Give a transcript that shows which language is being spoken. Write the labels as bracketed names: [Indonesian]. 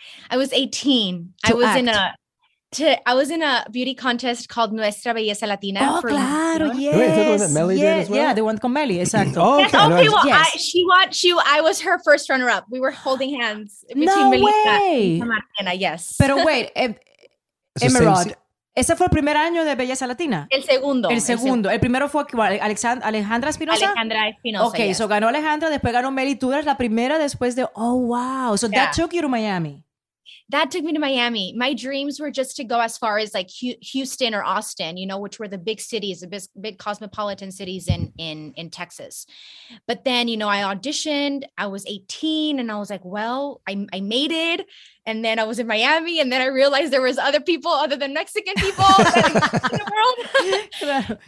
[English] I was 18. I was in a beauty contest called Nuestra Belleza Latina. Oh, claro, yes. Wait, is that the one that Melly did as well? Yeah, the one con Melly, exactly. Oh, okay. Okay, well, yes. I was her first runner-up. We were holding hands between Melissa and Martina, yes. [Spanish] Pero [English] wait, [Spanish] Emerald, ese fue el primer año de Belleza Latina? El segundo. El primero fue Alejandra Espinosa. Alejandra Espinosa, [English] okay, yes. [Spanish] So ganó Alejandra, después ganó Melly. Tú eras la primera después de, oh, wow. [English] So yeah. That took you to Miami. That took me to Miami. My dreams were just to go as far as like Houston or Austin, you know, which were the big cities, the big cosmopolitan cities in Texas. But then, you know, I auditioned, I was 18 and I was like, well, I made it. And then I was in Miami and then I realized there was other people other than Mexican people in the world.